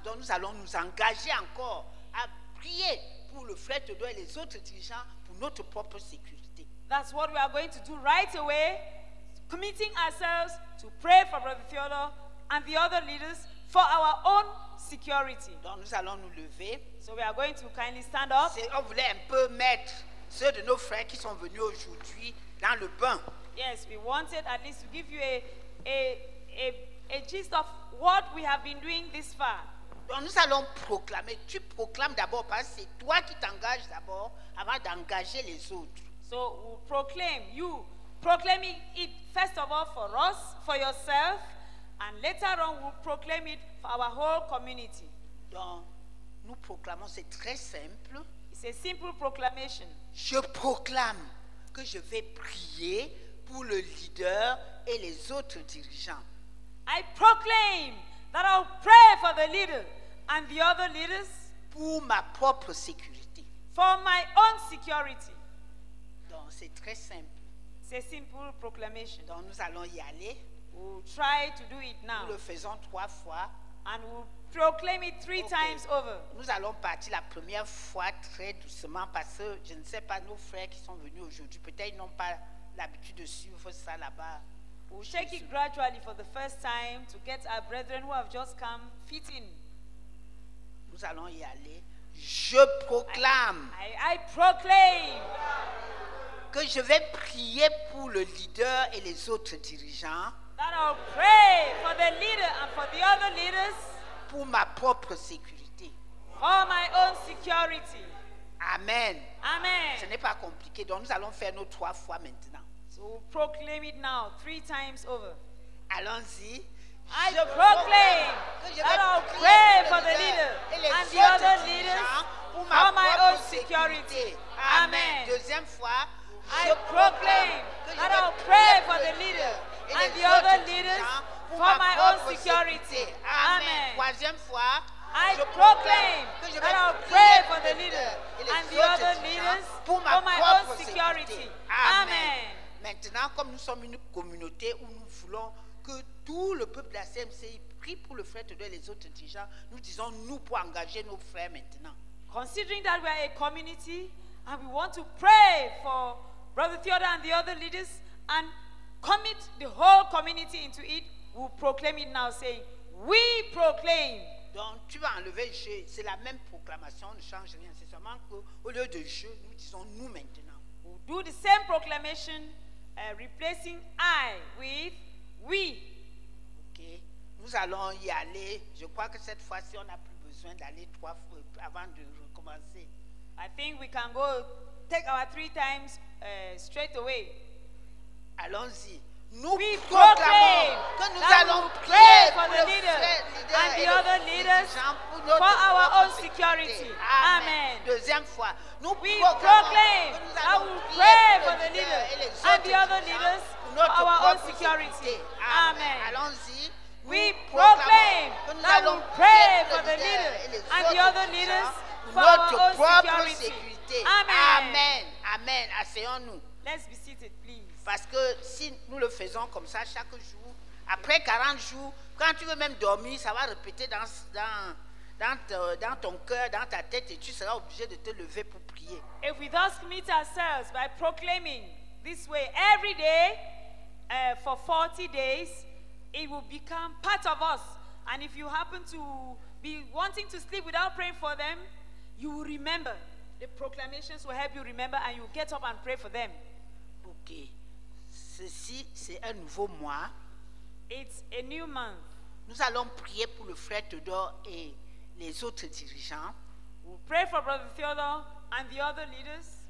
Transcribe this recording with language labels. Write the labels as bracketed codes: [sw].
[fr] Donc nous allons nous engager encore à prier pour le frère Todo et les autres dirigeants pour notre propre sécurité. [en] That's what we are going to do right away, committing ourselves to pray for Brother Theodore and the other leaders for our own security. [fr] Donc nous allons nous lever. [en] So we are going to kindly stand up. [fr] C'est, on voulait un peu mettre ceux de nos frères qui sont venus aujourd'hui dans le bain. [en] Yes, we wanted at least to give you a gist of what we have been doing this far. [fr] Donc nous allons proclamer. Tu proclames d'abord parce que c'est toi qui t'engages d'abord avant d'engager les autres. [en] So we proclaim you, proclaiming it first of all for us, for yourself, and later on we'll proclaim it for our whole community. [fr] Donc nous proclamons, c'est très simple. [en] It's a simple proclamation. [fr] Je proclame que je vais prier pour le leader et les autres dirigeants. [en] I proclaim that I'll pray for the leader and the other leaders. [fr] Pour ma propre sécurité. [en] For my own security. [fr] Donc c'est très simple. C'est simple proclamation. Donc nous allons y aller. [en] We'll try to do it now. [fr] Nous le faisons trois fois. [en] And we'll proclaim it three times over. [fr] Nous allons partir la première fois très doucement parce que je ne sais pas nos frères qui sont venus aujourd'hui. Peut-être ils n'ont pas l'habitude de suivre ça là-bas. [en] We'll take it gradually for the first time to get our brethren who have just come fit in. [fr] Nous allons y aller. Je proclame. [en] I proclaim [fr] que je vais prier pour le leader et les autres dirigeants. [en] That I'll pray for the leader and for the other leaders. [fr] Pour ma propre sécurité. [en] For my own security. Amen. Amen. [fr] Ce n'est pas compliqué. Donc nous allons faire nos trois fois maintenant. [en] So we'll proclaim it now, three times over. [fr] Allons-y. [en] I proclaim that I'll pray for the leader and the other leaders for my own security. [fr] Amen. Deuxième fois, [en] I proclaim that I'll pray for the leader and the other leaders for my own security. [fr] Amen. Troisième fois, [en] I proclaim that I'll pray for the leader and the other leaders for my own security. Amen. [fr] Maintenant, comme nous sommes une communauté où nous voulons que tout le peuple de la CMCI prie pour le frère Todo et les autres dirigeants, nous disons nous pour engager nos frères maintenant. [en] Considering that we are a community and we want to pray for Brother Theodore and the other leaders and commit the whole community into it, we'll proclaim it now saying, we proclaim. [fr] Donc, tu vas enlever je, c'est la même proclamation, ne change rien. C'est seulement qu'au lieu de je, nous disons nous maintenant. [en] We'll do the same proclamation replacing I with we. [fr] Ok, nous allons y aller. Je crois que cette fois-ci, on n'a plus besoin d'aller trois fois avant de recommencer. [en] I think we can go take our three times straight away. [fr] Allons-y. Nous we proclamons que nous allons prier [en] for the leader and the other leaders for our own security. [fr] Amen. Deuxième fois, nous [en] we proclaim that we will pray for the leader and the other leaders for our own security. [fr] Amen. Allons-y. [en] We proclaim that we will pray for the leader and the other leaders for our own security. [fr] Amen. Amen. Amen. Asseyons-nous. [en] Let's be seated, please. [fr] Parce que si nous le faisons comme ça chaque jour, après 40 jours, quand tu veux même dormir, ça va répéter dans ton cœur, dans ta tête, et tu seras obligé de te lever pour prier. [en] If we thus commit ourselves by proclaiming this way every day for 40 days, it will become part of us. And if you happen to be wanting to sleep without praying for them, you will remember. The proclamations will help you remember and you'll get up and pray for them. [fr] Okay. Ceci, c'est un nouveau mois. [en] It's a new month. [fr] Nous allons prier pour le frère Theodore et les autres dirigeants. [en] We'll pray for Brother Theodore and the other leaders.